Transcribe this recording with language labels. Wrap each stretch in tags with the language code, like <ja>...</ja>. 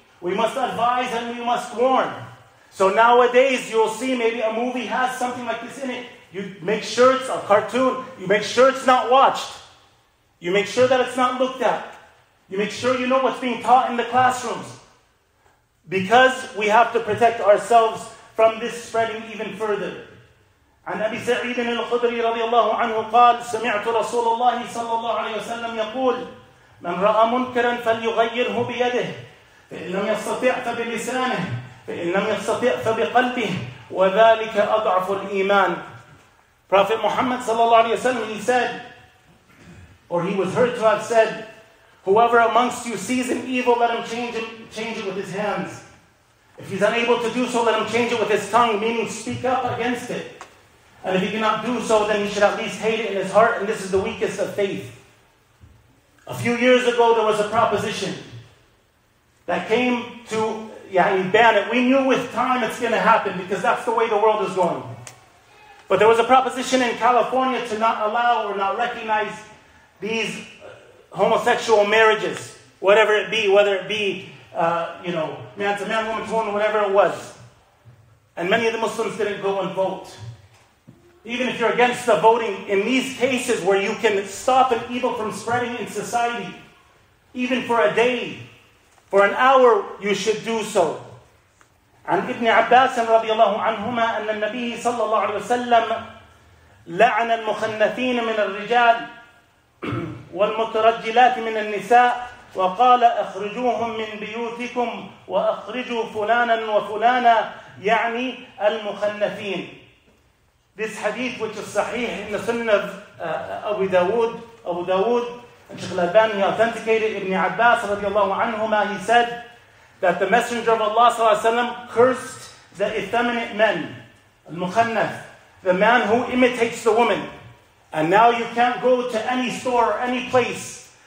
<en>We must advise and we must warn. So nowadays, you'll see maybe a movie has something like this in it. You make sure it's a cartoon. You make sure it's not watched. You make sure that it's not looked at. You make sure you know what's being taught in the classrooms. Because we have to protect ourselves from this spreading even further.</en> <ar>عن أبي سعيد الخدري رضي الله عنه قال سمعت رسول الله صلى الله عليه وسلم يقول من رأى منكرا فليغيره بيده فإن لم يستطع فبلسانه فإن لم يستطع فبقلبه وذلك أضعف الإيمان.</ar> <en>Prophet Muhammad sallallahu alayhi wa sallam, he said, or he was heard to have said, whoever amongst you sees an evil, let him change it with his hands. If he's unable to do so, let him change it with his tongue, meaning speak up against it. And if he cannot do so, then he should at least hate it in his heart, and this is the weakest of faith. A few years ago, there was a proposition that came to ban it. We knew with time it's going to happen, because that's the way the world is going. But there was a proposition in California to not allow or not recognize these homosexual marriages, whatever it be, man to man, woman to woman, whatever it was. And many of the Muslims didn't go and vote. Even if you're against the voting, in these cases where you can stop an evil from spreading in society, even for a day, for an hour, you should do so.</en> <ar>عن ابن عباس رضي الله عنهما أن النبي صلى الله عليه وسلم لعن المخنثين من الرجال والمترجلات من النساء وقال أخرجوهم من بيوتكم وأخرجوا فلانا وفلانا يعني المخنثين.</ar> <en>This hadith, which is sahih in the Sunnah of Abu Dawood, and Sheikh Al-Albani, he authenticated. Ibn Abbas radiallahu anhuma, he said that the Messenger of Allah sallallahu alayhi wa sallam cursed the effeminate men, al-mukhannath, the man who imitates the woman. And now you can't go to any store or any place</en>